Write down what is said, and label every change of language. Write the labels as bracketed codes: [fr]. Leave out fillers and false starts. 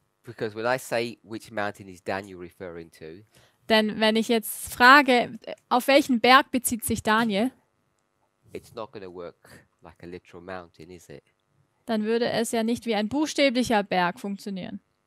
[en] Because when I say which mountain is Daniel referring to, [de] denn wenn ich jetzt frage, auf welchen Berg bezieht sich Daniel? [en] It's not gonna work like a literal mountain, is it? [de] Dann würde es ja nicht wie ein buchstäblicher Berg funktionieren.